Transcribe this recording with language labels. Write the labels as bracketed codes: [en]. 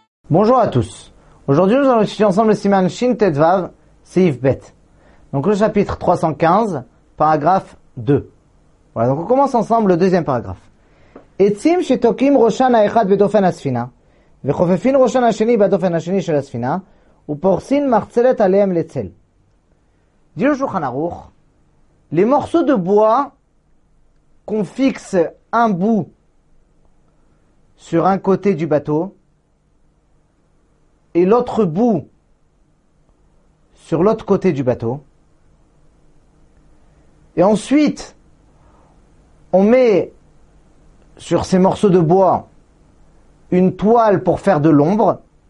[fr] Bonjour à tous. Aujourd'hui, nous allons étudier ensemble le Siman Shin Tet Vav, Seif Bet. Donc le chapitre 315, paragraphe 2. Voilà, donc on commence ensemble le deuxième paragraphe. [he] Etzim shetokim roshan ha'echad bedofen ha'sfina. וחופפין ראשון השני בדופן השני של הספינה, ופורסין מרצלת עליהם לצל. דיו שולחן ערוך, [fr] les morceaux de bois qu'on fixe un bout sur un côté du bateau, et l'autre bout sur l'autre côté du bateau, et ensuite, on met sur ces morceaux de bois une toile pour faire de l'ombre.